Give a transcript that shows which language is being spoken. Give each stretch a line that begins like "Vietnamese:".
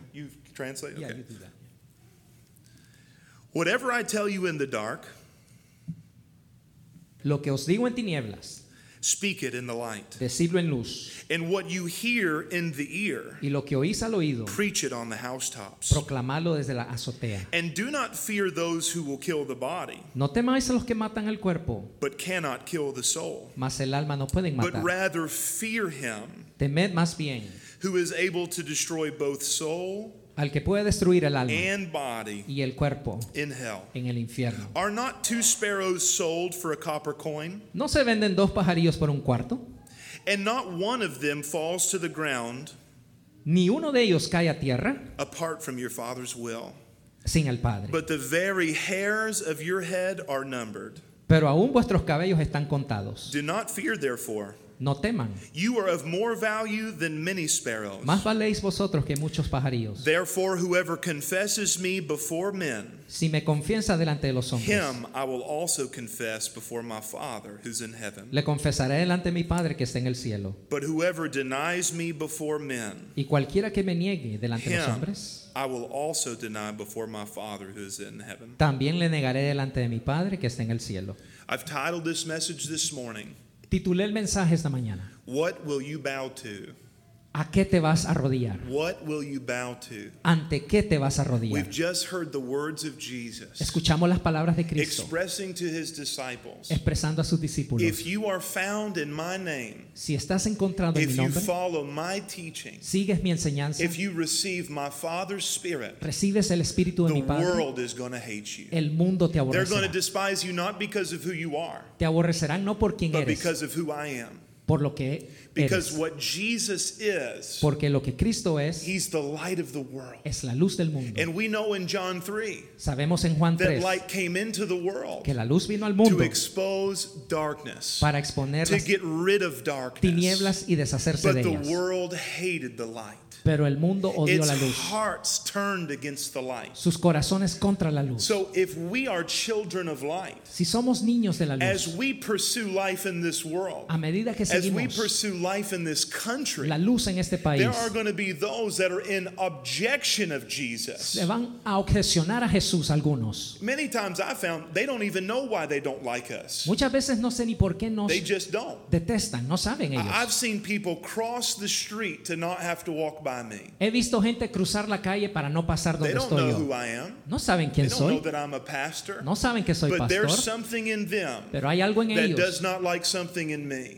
English: You translate? Okay. Yeah, you do that. Whatever I tell you in the dark,
Spanish: lo que os digo en tinieblas,
English: speak it in the light.
Spanish: Decidlo en luz.
English: And what you hear in the ear,
Spanish: y lo que oís al oído,
English: preach it on the housetops.
Spanish: Proclamalo desde la azotea.
English: And do not fear those who will kill the body,
Spanish: no temáis a los que matan el cuerpo,
English: but cannot kill the soul,
Spanish: mas el alma no pueden matar.
English: But rather fear him,
Spanish: temed más bien,
English: who is able to destroy both soul,
Spanish: al que puede destruir el alma,
English: and body,
Spanish: y el cuerpo,
English: in hell,
Spanish: en el infierno.
English: Are not two sparrows sold for a copper coin?
Spanish: ¿No se venden dos pajarillos por un cuarto?
English: And not one of them falls to the ground,
Spanish: ni uno de ellos cae a tierra,
English: apart from your Father's will,
Spanish: sin el Padre.
English: But the very hairs of your head are numbered.
Spanish: Pero aún vuestros cabellos están contados.
English: Do not fear, therefore,
Spanish: No teman.
English: You are of more value than many sparrows.
Spanish: Más valéis vosotros que muchos pajarillos.
English: Therefore, whoever confesses me before men,
Spanish: si me confiesa delante de los hombres,
English: him I will also confess before my Father who's in heaven.
Spanish: Le confesaré delante de mi Padre que está en el cielo.
English: But whoever denies me before men,
Spanish: y cualquiera que me niegue delante
English: him,
Spanish: de los hombres,
English: I will also deny before my Father who is in heaven.
Spanish: También le negaré delante de mi Padre que está en el cielo.
English: I've titled this message this morning.
Spanish: Titulé el mensaje esta mañana.
English: What will you bow to?
Spanish: ¿A qué te vas a arrodillar?
English: What will you bow to?
Spanish: ¿Ante qué te vas a arrodillar?
English: We've just heard the words of Jesus.
Spanish: Escuchamos las palabras de Cristo.
English: Expressing to his disciples.
Spanish: Expresando a sus discípulos.
English: If you are found in my name.
Spanish: Si estás encontrado en mi nombre.
English: If you follow my teaching.
Spanish: Sigues mi enseñanza.
English: If you receive my Father's Spirit.
Spanish: Recibes el Espíritu de mi Padre.
English: The world is going to hate you.
Spanish: El mundo te aborrecerá.
English: They're going to despise you not because of who you are.
Spanish: Te aborrecerán no por quién eres.
English: But because of who I am.
Spanish: Por lo que
English: because
Spanish: eres.
English: What Jesus is,
Spanish: porque lo que Cristo es,
English: he's the light of the world.
Spanish: Es la luz del mundo.
English: And we know in John 3,
Spanish: sabemos en Juan 3,
English: that light came into the world,
Spanish: que la luz vino al mundo,
English: to expose darkness,
Spanish: para exponer
English: to get rid of darkness,
Spanish: tinieblas y deshacerse
English: but
Spanish: de ellas.
English: The world hated the light.
Spanish: Pero el mundo odió
English: its
Spanish: la luz.
English: Hearts turned against the light.
Spanish: Sus corazones contra la luz.
English: So if we are children of light,
Spanish: si somos niños de la luz,
English: as we pursue life in this world,
Spanish: a medida que seguimos,
English: as we pursue life in this country,
Spanish: la luz en este país,
English: there are going to be those that are in objection of Jesus.
Spanish: Se van a objecionar a Jesús algunos.
English: Many times I found they don't even know why they don't like us.
Spanish: Muchas veces no sé ni por qué nos
English: they just don't.
Spanish: Detestan, no saben ellos.
English: I've seen people cross the street to not have to walk by me.
Spanish: He visto gente cruzar la calle para no pasar donde
English: they don't
Spanish: estoy
English: know
Spanish: yo.
English: Who I am.
Spanish: No saben quién
English: they don't
Spanish: soy.
English: Know that I'm a pastor.
Spanish: No saben que soy
English: but
Spanish: pastor.
English: There's something in them
Spanish: pero hay algo en
English: that
Spanish: ellos
English: does not like something in me.